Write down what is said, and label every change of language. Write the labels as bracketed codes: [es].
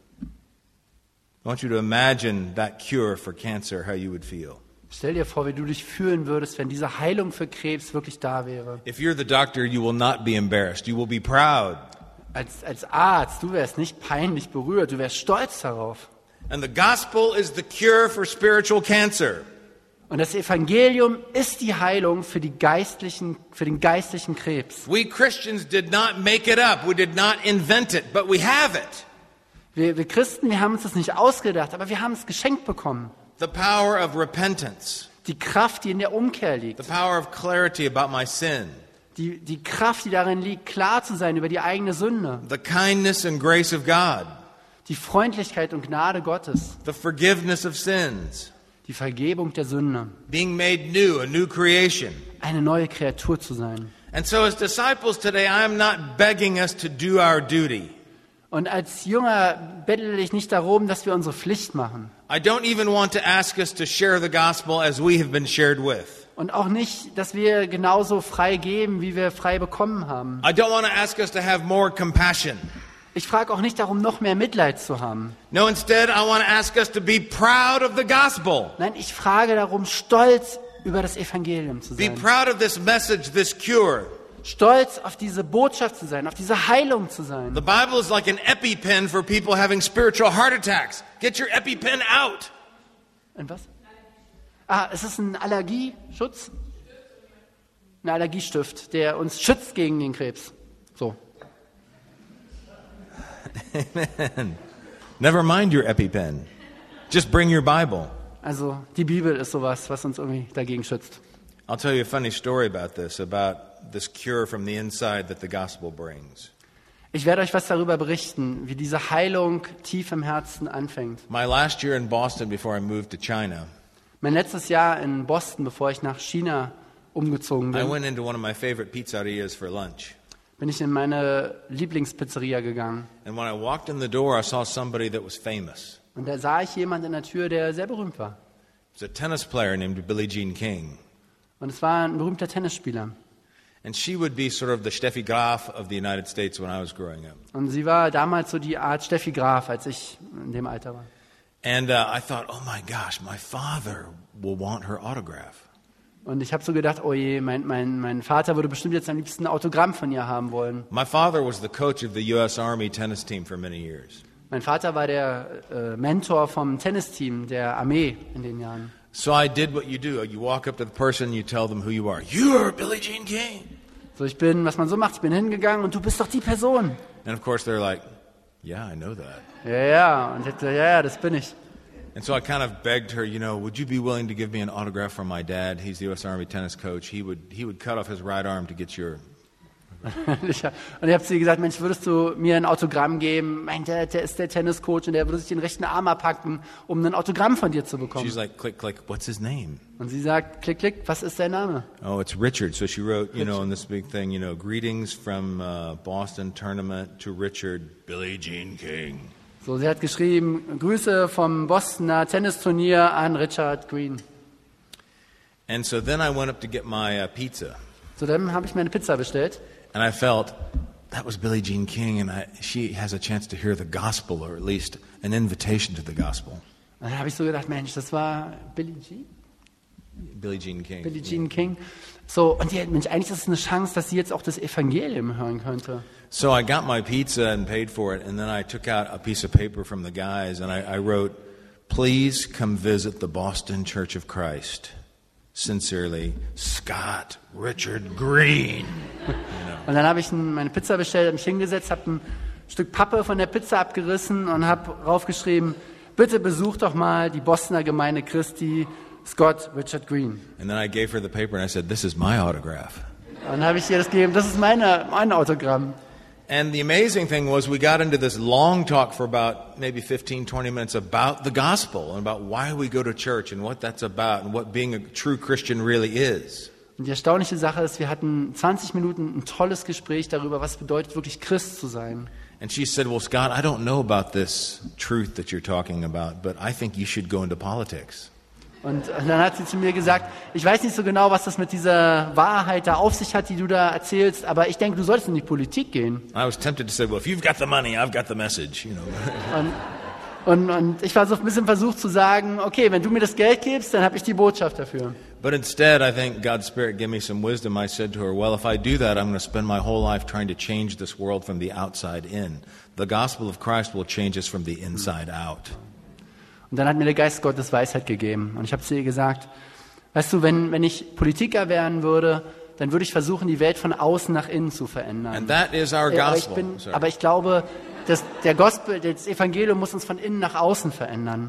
[en] I want you to imagine that cure for cancer, how you would feel. [de] Stell dir vor, wie du dich fühlen würdest, wenn diese Heilung für Krebs wirklich da wäre. [en] If you're the doctor, you will not be embarrassed. You will be proud. [de] Als Arzt, du wärst nicht peinlich berührt, du wärst stolz darauf. [en] And the gospel is the cure for spiritual cancer. [de] Und das Evangelium ist die Heilung für die geistlichen, für den geistlichen Krebs. [en] We Christians did not make it up. We did not invent it, but we have it. [de] Wir Christen, wir haben uns das nicht ausgedacht, aber wir haben es geschenkt bekommen. [en] The power of repentance. [de] Die Kraft, die in der Umkehr liegt. [en] The power of clarity about my sin. [de] Die Kraft, die darin liegt, klar zu sein über die eigene Sünde. [en] The kindness and grace of God. [de] Die Freundlichkeit und Gnade Gottes. [en] The forgiveness of sins. [de] Die Vergebung der Sünde. [en] Being made new, a new creation. [de] Eine neue Kreatur zu sein. [en] And so as disciples today, I am not begging us to do our duty. [de] Und als Jünger bettle ich nicht darum, dass wir unsere Pflicht machen. [en] I don't even want to ask us to share the gospel as we have been shared with. [de] Und auch nicht, dass wir genauso frei geben, wie wir frei bekommen haben. [en] I don't want to ask us to have more compassion. [de] Ich frage auch nicht darum, noch mehr Mitleid zu haben. [en] No, instead I want to ask us to be proud of the gospel. [de] Nein, ich frage darum, stolz über das Evangelium zu sein. [en] Be proud of this message, this cure. [de] Stolz auf diese Botschaft zu sein, auf diese Heilung zu sein. [en] The Bible is like an EpiPen for people having spiritual heart attacks. Get your EpiPen out. [de] Und was? Ah, es ist ein Allergieschutz. Ein Allergiestift, der uns schützt gegen den Krebs. [en] So. Amen. Never mind your EpiPen. Just bring your Bible. [de] Also, die Bibel ist sowas, was uns irgendwie dagegen schützt. [en] I'll tell you a funny story about this, about this cure from the inside that the gospel brings. [de] Ich werde euch was darüber berichten, wie diese Heilung tief im Herzen anfängt. [en] My last year in Boston before I moved to China. [de] Mein letztes Jahr in Boston, bevor ich nach China umgezogen bin. [en] I went into one of my favorite pizzerias for lunch. [de] Bin ich in meine Lieblingspizzeria gegangen. [en] And when I walked in the door, I saw somebody that was famous. [de] Und da sah ich jemanden in der Tür, der sehr berühmt war. [en] It's a tennis player named Billie Jean King. [de] Und es war ein berühmter Tennisspieler. [en] And she would be sort of the Steffi Graf of the United States when I was growing up. [de] Und sie war damals so die Art Steffi Graf, als ich in dem Alter war. [en] And I thought, oh my gosh, my father will want her autograph. [de] Und ich habe so gedacht, oh je, mein Vater würde bestimmt jetzt am liebsten ein Autogramm von ihr haben wollen. [en] My father was the coach of the U.S. Army tennis team for many years. [de] Mein Vater war der Mentor vom Tennisteam der Armee in den Jahren. [en] So I did what you do. You walk up to the person, you tell them who you are. You are Billie Jean King. [de] So ich bin, was man so macht, ich bin hingegangen und du bist doch die Person. [en] And of course they're like, yeah, I know that. [de] Ja, ja, und ich dachte, ja, das bin ich. [en] And so I kind of begged her, you know, would you be willing to give me an autograph from my dad? He's the U.S. Army tennis coach. He would cut off his right arm to get your... [de] Und ich habe zu ihr gesagt, Mensch, würdest du mir ein Autogramm geben? Mein Dad ist der Tenniscoach und der würde sich den rechten Arm abpacken, um ein Autogramm von dir zu bekommen. [en] She's like, click, click, what's his name? [de] Und sie sagt, klick, klick, was ist sein Name? [en] Oh, it's Richard. So she wrote, you know, in this big thing, you know, greetings from Boston Tournament to Richard, Billie Jean King. [de] So sie hat geschrieben, Grüße vom Bostoner Tennisturnier an Richard Green. [en] And so then I went up to get my pizza. [de] So dann habe ich mir eine Pizza bestellt. [en] And I felt that was Billie Jean King, and she has a chance to hear the gospel, or at least an invitation to the gospel. [de] Und dann habe ich so gedacht, Mensch, das war Billie Jean? Billie Jean King. Billie Jean King. So, und ja, Mensch, eigentlich ist es eine Chance, dass sie jetzt auch das Evangelium hören könnte. [en] So I got my pizza and paid for it, and then I took out a piece of paper from the guys, and I wrote, please come visit the Boston Church of Christ. Sincerely, Scott Richard Green. [de] Und dann habe ich meine Pizza bestellt, habe mich hingesetzt, habe ein Stück Pappe von der Pizza abgerissen und habe draufgeschrieben, bitte besuch doch mal die Bostoner Gemeinde Christi, Scott Richard Green. [en] And then I gave her the paper and I said, this is my autograph. [de] Und dann habe ich ihr das gegeben, das ist mein Autogramm. [en] And the amazing thing was we got into this long talk for about maybe 15, 20 minutes about the gospel and about why we go to church and what that's about and what being a true Christian really is. [de] Die erstaunliche Sache ist, wir hatten 20 Minuten ein tolles Gespräch darüber, was bedeutet wirklich Christ zu sein. [en] And she said, well, Scott, I don't know about this truth that you're talking about, but I think you should go into politics. [de] Und dann hat sie zu mir gesagt, ich weiß nicht so genau, was das mit dieser Wahrheit da auf sich hat, die du da erzählst, aber ich denke, du solltest in die Politik gehen. [en] I was tempted to say, well, if you've got the money, I've got the message, you know. [de] Und ich war so ein bisschen versucht zu sagen, okay, wenn du mir das Geld gibst, dann habe ich die Botschaft dafür. [en] But instead, I think God's Spirit gave me some wisdom. I said to her, well, if I do that, I'm going to spend my whole life trying to change this world from the outside in. The gospel of Christ will change us from the inside out. [de] Und dann hat mir der Geist Gottes Weisheit gegeben. Und ich habe zu ihr gesagt, weißt du, wenn ich Politiker werden würde, dann würde ich versuchen, die Welt von außen nach innen zu verändern. [en] And that is our gospel. [de] Aber ich glaube, dass der Gospel, das Evangelium muss uns von innen nach außen verändern.